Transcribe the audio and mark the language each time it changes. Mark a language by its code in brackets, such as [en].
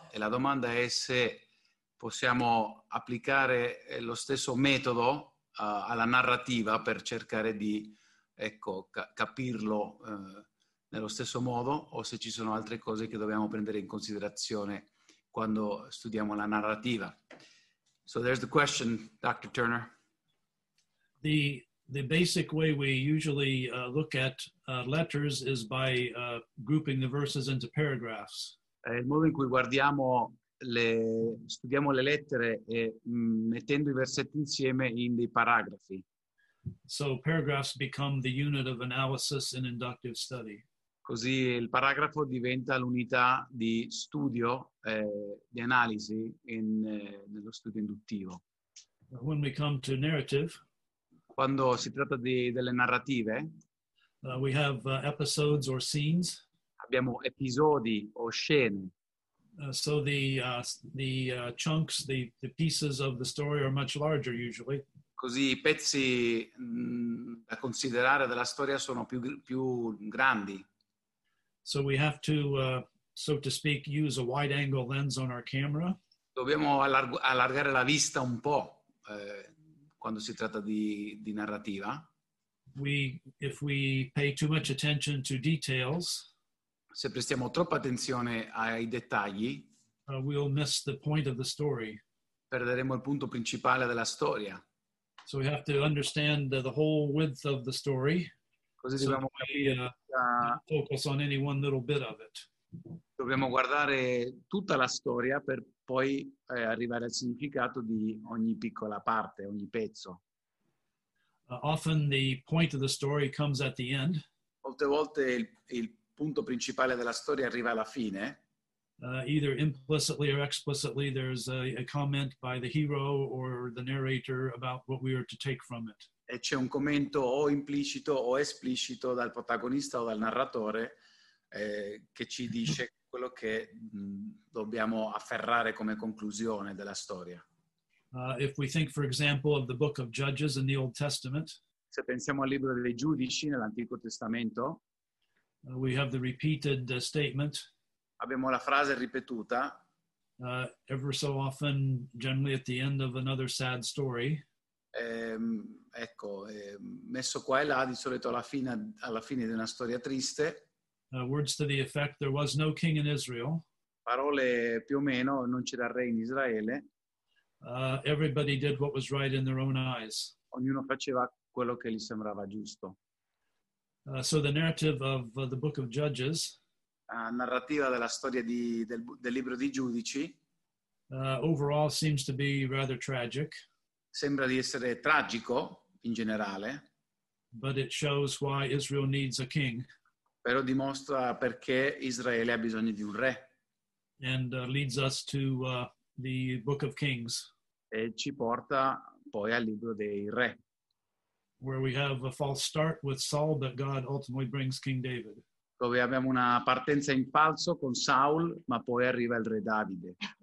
[it] E la domanda è se possiamo applicare lo stesso metodo alla narrativa per cercare di capirlo nello stesso modo o se ci sono altre cose che dobbiamo prendere in considerazione quando studiamo la narrativa. [en] So there's the question, Dr. Turner. The basic way we usually look at letters is by grouping the verses into paragraphs. [it] Il modo in cui guardiamo studiamo le lettere e mettendo i versetti insieme in dei paragrafi. [en] So paragraphs become the unit of analysis in inductive study. [it] Così il paragrafo diventa l'unità di studio di analisi nello studio induttivo. [en] When we come to narrative. [it] Quando si tratta delle narrative, [en] we have episodes or scenes. [it] Abbiamo episodi o scene. [en] So the chunks, the pieces of the story are much larger usually. [it] Così i pezzi da considerare della storia sono più grandi. [en] So we have to, so to speak, use a wide-angle lens on our camera. [it] Dobbiamo allargare la vista un po'. Quando si tratta di narrativa. [en] If we pay too much attention to details, [it] se prestiamo troppa attenzione ai dettagli, [en] we'll miss the point of the story. [it] Perderemo il punto principale della storia. [en] So we have to understand the whole width of the story. [it] Così dobbiamo [en] focus on any one little bit of it. [it] Dobbiamo guardare tutta la storia per poi arrivare al significato di ogni piccola parte, ogni pezzo. [en] Often the point of the story comes at the end. [it] Molte volte il punto principale della storia arriva alla fine. [en] Either implicitly or explicitly there's a comment by the hero or the narrator about what we are to take from it. [it] E c'è un commento o implicito o esplicito dal protagonista o dal narratore che ci dice quello che dobbiamo afferrare come conclusione della storia. [en] If we think, for example, of the book of Judges in the Old Testament, [it] se pensiamo al libro dei giudici nell'Antico Testamento, [en] we have the repeated statement, [it] abbiamo la frase ripetuta, [en] ever so often, generally at the end of another sad story, [it] ecco, messo qua e là, di solito alla fine di una storia triste. [en] Words to the effect, there was no king in Israel. [it] Parole più o meno, non c'era re in Israele. [en] Everybody did what was right in their own eyes. [it] Ognuno faceva quello che gli sembrava giusto. [en] So the narrative of the book of Judges. [it] Narrativa della storia di, del, del libro di Giudici. [en] Overall seems to be rather tragic. [it] Sembra di essere tragico in generale. [en] But it shows why Israel needs a king. [it] Però dimostra perché Israele ha bisogno di un re. [en] And leads us to the Book of Kings. [it] E ci porta poi al libro dei re. [en] Where we have a false start with Saul, but God ultimately brings King David. [it] Dove abbiamo una partenza in falso con Saul, ma poi arriva il re Davide.